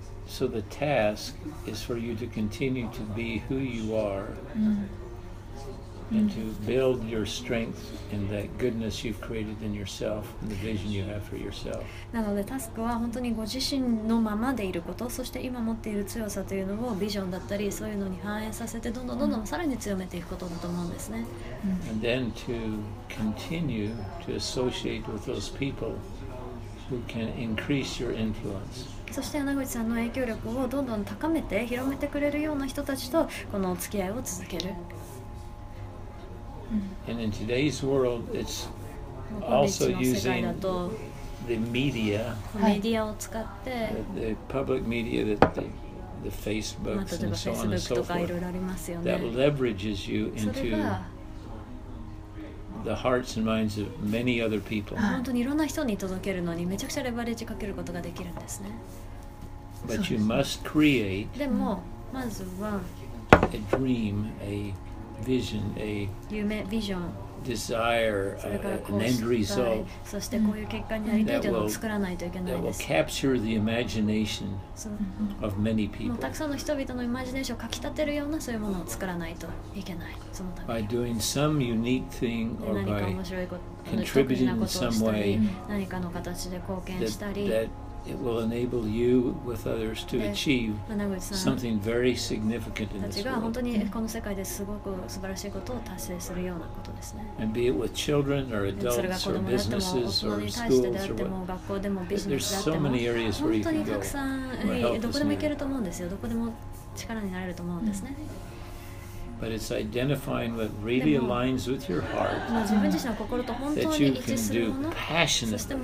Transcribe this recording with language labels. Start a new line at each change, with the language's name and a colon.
English: So the task is for you to continue to be who you are, and to build your strength in that goodness you've created in yourself and the vision you have for yourself.
Japanese: なのでタスクは本当にご自身のままでいること、そして今持っている強さというのをビジョンだったりそういうのに反映させてどんどんどんどんさらに強めていくことだと思うんですね。
English: And then to continue to associate with those people who can increase your influence.
Japanese: そして穴口さんの影響力をどんどん高めて広めてくれるような人たちとこの付き合いを続ける。
English: And in today's world, it's also using the media,
Japanese: メディアを使って、
English: the public media, the Facebook and so on and so forth, that leverages you into the hearts and minds of many other people.
Japanese: 本当にいろんな人に届けるのにめちゃくちゃレバレッジかけることができるんですね。
English: But you must create
Japanese: でもまずは
English: a dream, a vision, a
Japanese: 夢、ビジョン
English: desire, an end result
Japanese: そしてこういう結果になりたいというのを作らないといけないです
English: that will capture the imagination of many people
Japanese: たくさんの人々のイマジネーションをかきたてるようなそういうものを作らないといけないそのために
English: by doing some unique thing or by contributing in some way
Japanese: 何かの形で貢献したり
English: that, thatIt will enable you with others to achieve something very significant in this world.
Japanese: 本当にこの世界ですごく素晴らしいことを達成するようなことですね。
English: And be it with children or adults or businesses or schools or what.
Japanese: 学校でもビジネスであっても。
English: There's so many areas where you can go.
Japanese: 本当にたくさんどこでも行けると思うんですよ。どこでも力になれると思うんですね。
English: But it's identifying what really aligns with your heart. That you can do passionately.